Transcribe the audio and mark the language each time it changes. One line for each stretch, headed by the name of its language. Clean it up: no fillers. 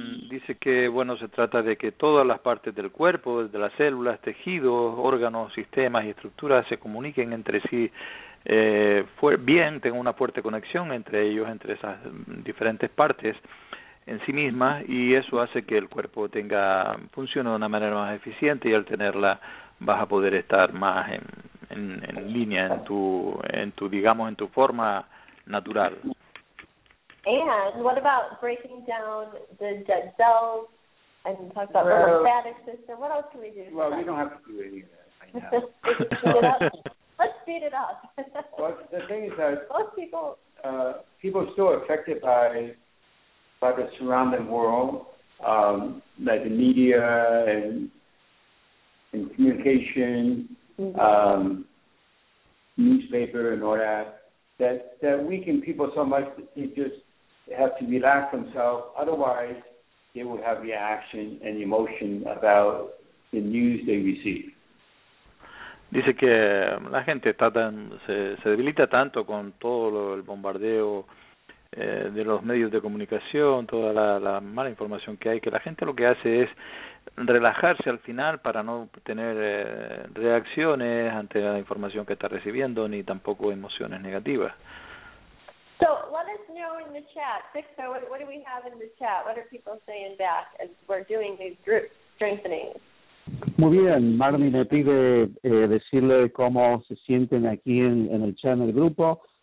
Spanish: Dice que, bueno, se trata de que todas las partes del cuerpo, desde las células, tejidos, órganos, sistemas y estructuras, se comuniquen entre sí bien, tengan una fuerte conexión entre ellos, entre esas diferentes partes en sí mismas, y eso hace que el cuerpo funcione de una manera más eficiente, y al tenerla vas a poder estar más en línea, en tu forma natural.
English: And what about breaking down the dead cells and talk about the lymphatic system? What else can we do? Well, we don't have to do any of that right now. Let's speed it up. Well, the thing is that most people people are still affected by the surrounding world, like the media and communication, newspaper and all that weaken people so much that they just have to relax themselves, otherwise they will have reaction and emotion about the news they receive.
Spanish: Dice que la gente está se debilita tanto con todo el bombardeo de los medios de comunicación, toda la mala información que hay, que la gente lo que hace es relajarse al final para no tener reacciones ante la información que está recibiendo, ni tampoco emociones negativas.
English: So let us know in the chat, Sixto, what do we have in the chat? What are people saying back as we're doing these group strengthening?
Spanish: Muy bien, Marley me pide decirle cómo se sienten aquí en el chat, en el grupo.